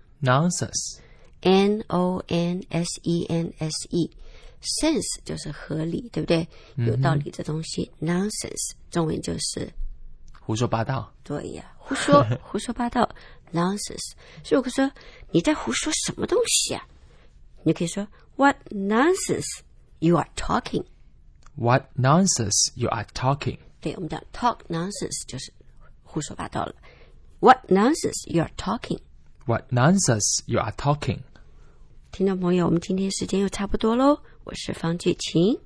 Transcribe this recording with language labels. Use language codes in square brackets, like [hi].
[en] Nonsense. N-O-N-S-E-N-S-E. [zh] Sense 就是合理，对不对？有道理的东西、mm-hmm. ，nonsense 中文就是胡说八道。对呀，胡说胡说八道 ，nonsense. 所以我说你在胡说什么东西啊？你可以说 [en] What nonsense you are talking What nonsense you are talking [zh] 对我们讲 [en] talk nonsense [zh] 就是胡说八道了 [en] What nonsense you are talking What nonsense you are talking [zh] 听众朋友我们今天时间又差不多咯我是方俊琴